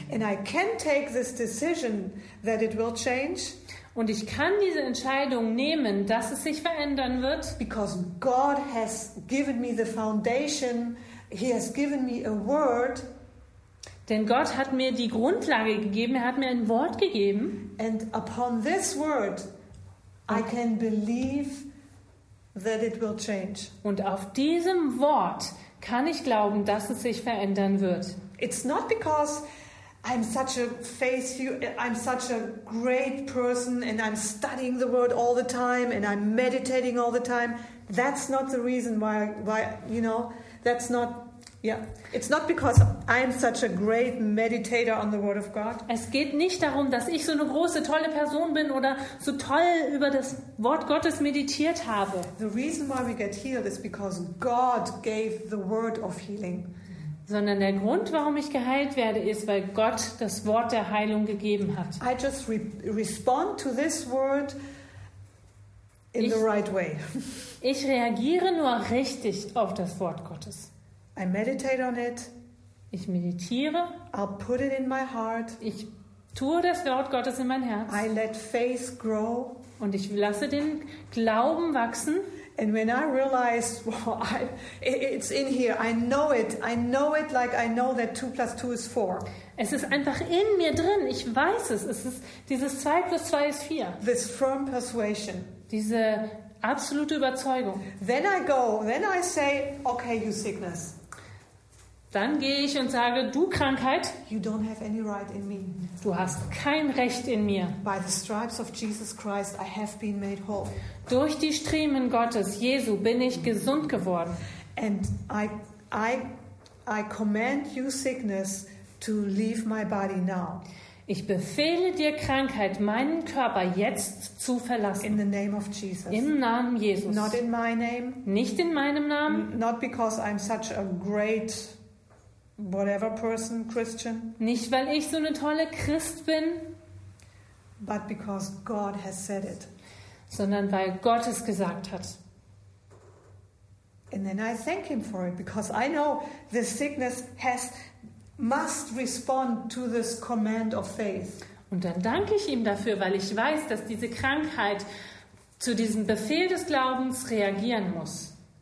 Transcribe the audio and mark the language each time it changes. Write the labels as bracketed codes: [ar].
[en] And I can take this decision that it will change. [de] Und ich kann diese Entscheidung nehmen, dass es sich verändern wird. [en] Because God has given me the foundation. He has given me a word. [de] Denn Gott hat mir die Grundlage gegeben. Er hat mir ein Wort gegeben. [en] And upon this word, I can believe that it will change. [de] Und auf diesem Wort kann ich glauben, dass es sich verändern wird. [en] It's not because I'm such a faithful, I'm such a great person, and I'm studying the word all the time, and I'm meditating all the time. That's not the reason why, you know, that's not, yeah. It's not because I'm such a great meditator on the word of God. [de] Es geht nicht darum, dass ich so eine große, tolle Person bin oder so toll über das Wort Gottes meditiert habe. [en] The reason why we get healed is because God gave the word of healing. [de] Sondern der Grund, warum ich geheilt werde, ist, weil Gott das Wort der Heilung gegeben hat. [en] I just respond to this word in the right way. [de] Ich reagiere nur richtig auf das Wort Gottes. [en] I meditate on it. [de] Ich meditiere. [en] I'll put it in my heart. [de] Ich tue das Wort Gottes in mein Herz. [en] I let faith grow. [de] Und ich lasse den Glauben wachsen. [en] And when I realize, well, it's in here. I know it. I know it like I know that 2 + 2 = 4. [de] Es ist einfach in mir drin. Ich weiß es. Es ist dieses 2 + 2 = 4. [en] This firm persuasion. [de] Diese absolute Überzeugung. [en] Then I go. Then I say, okay, you sickness. [de] Dann gehe ich und sage, du Krankheit. [en] You don't have any right in me. [de] Du hast kein Recht in mir. [en] By the stripes of Jesus Christ, I have been made whole. [de] Durch die Striemen Gottes, Jesu, bin ich gesund geworden. [en] And I command you sickness to leave my body now. [de] Ich befehle dir Krankheit, meinen Körper jetzt zu verlassen. [en] In the name of Jesus. [de] Im Namen Jesus. [en] Not in my name. [de] Nicht in meinem Namen. [en] Not because I'm such a great whatever person, Christian. [de] Nicht weil ich so eine tolle Christ bin. [en] But because God has said it. [de] Sondern weil Gott es gesagt hat. [en] And then I thank him for it, because I know the sickness must respond to this command of faith. [de] Und dann danke ich ihm dafür, weil ich weiß, dass diese Krankheit zu diesem Befehl des Glaubens reagieren muss.